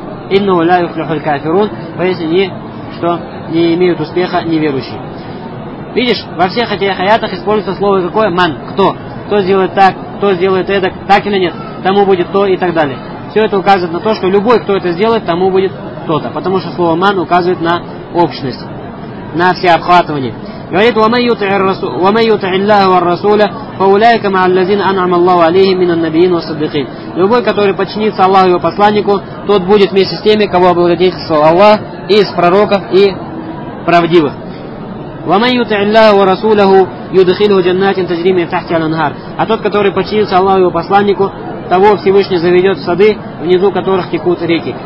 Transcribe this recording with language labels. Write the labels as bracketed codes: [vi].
[ar] Инну ля юфлиху аль-кафирун, [ru] поистине, что не имеют успеха неверующие. Видишь, во всех этих аятах используется слово какое? Ман. Кто? Кто сделает так, кто сделает это, так или нет, тому будет то и так далее. Все это указывает на то, что любой, кто это сделает, тому будет то-то. Потому что слово ман указывает на общность. на все обхватывание. Говорит, [ar] وَمَنْ يُطْعِ اللَّهُ وَالرَّسُولَ فَأُولَيْكَ مَعَ الَّذِينَ أَنْعَمَ اللَّهُ عَلَيْهِمْ مِنَ النَّبِيِّينَ وَالصَّدِّقِينَ. [ru] Любой, который подчинится Аллаху и его посланнику, тот будет вместе с теми, кого облагодетельствовал Аллах, и из пророков, и правдивых. [ar] وَمَنْ يُطْعِ اللَّهُ وَرَسُولَهُ يُدْخِلُهُ جَنَّاتٍ تَجْرِي مِنْ تَحْتِهَا الْأَنْهَارُ. [ru] А тот, который подчинится Аллаху и его посланнику, того Всевышний заведет в сады, внизу которых текут реки.